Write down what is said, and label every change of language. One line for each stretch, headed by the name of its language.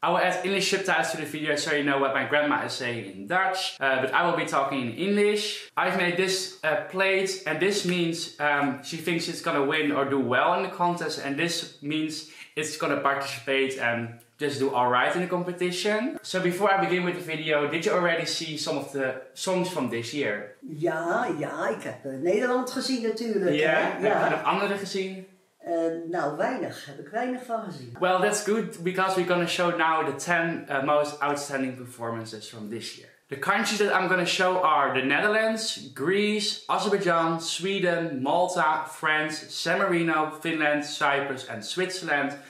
English: I will add English subtitles to the video so you know what my grandma is saying in Dutch, but I will be talking in English. I've made this plate, and this means she thinks it's gonna win or do well in the contest, and this means it's gonna participate and just do alright in the competition. So before I begin with the video, did you already see some of the songs from this year?
Dutch: Ja, ja, ik heb Nederland gezien natuurlijk. Ja, yeah, heb je nog andere gezien? Weinig van gezien.
English: Well, that's good because we're gonna show now the 10 most outstanding performances from this year. The countries that I'm gonna show are the Netherlands, Greece, Azerbaijan, Sweden, Malta, France, San Marino, Finland, Cyprus and Switzerland.